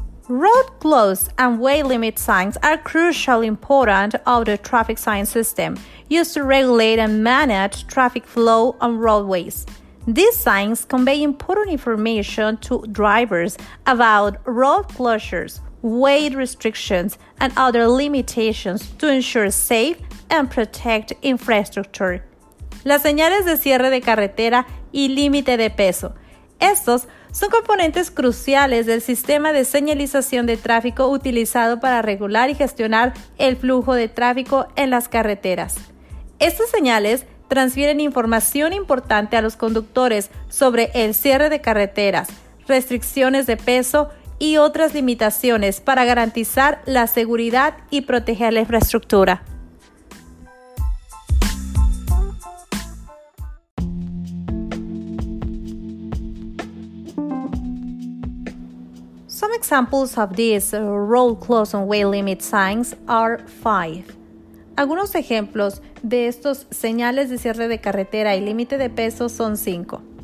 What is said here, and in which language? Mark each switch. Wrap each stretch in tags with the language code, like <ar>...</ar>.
<en>Road closed and weight limit signs are crucially important of the traffic sign system used to regulate and manage traffic flow on roadways. These signs convey important information to drivers about road closures, weight restrictions, and other limitations to ensure safe and protect infrastructure.</en> <es>Las señales de cierre de carretera y límite de peso. Estos son componentes cruciales del sistema de señalización de tráfico utilizado para regular y gestionar el flujo de tráfico en las carreteras. Estas señales transfieren información importante a los conductores sobre el cierre de carreteras, restricciones de peso y otras limitaciones para garantizar la seguridad y proteger la infraestructura.</es> <en>Some examples of these road close and weight limit signs are 5.</en> <es>Algunos ejemplos de estos señales de cierre de carretera y límite de peso son 5.</es>